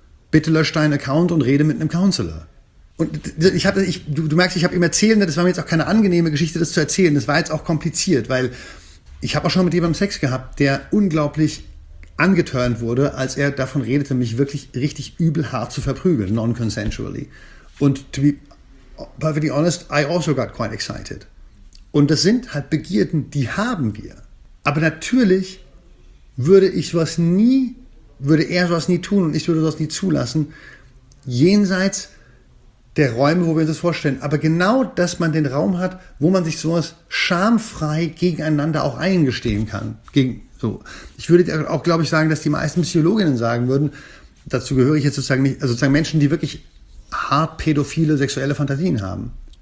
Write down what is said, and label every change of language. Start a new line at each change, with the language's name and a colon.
German: Bitte lösch deinen Account und rede mit einem Counselor. Und du merkst, ich habe ihm erzählt, das war mir jetzt auch keine angenehme Geschichte, das zu erzählen. Das war jetzt auch kompliziert, weil ich habe auch schon mit jemandem Sex gehabt, der unglaublich angeturnt wurde, als er davon redete, mich wirklich richtig übel hart zu verprügeln,
English: non-consensually.
German: Und
English: to be perfectly honest, I also got quite excited.
German: Und das sind halt Begierden, die haben wir. Aber natürlich würde er sowas nie tun und ich würde sowas nie zulassen, jenseits der Räume, wo wir uns das vorstellen. Aber genau, dass man den Raum hat, wo man sich sowas schamfrei gegeneinander auch eingestehen kann, So, ich würde auch, glaube ich, sagen, dass die meisten Psychologinnen sagen würden, dazu gehöre ich jetzt sozusagen nicht, also sozusagen Menschen, die wirklich hart pädophile sexuelle Fantasien haben.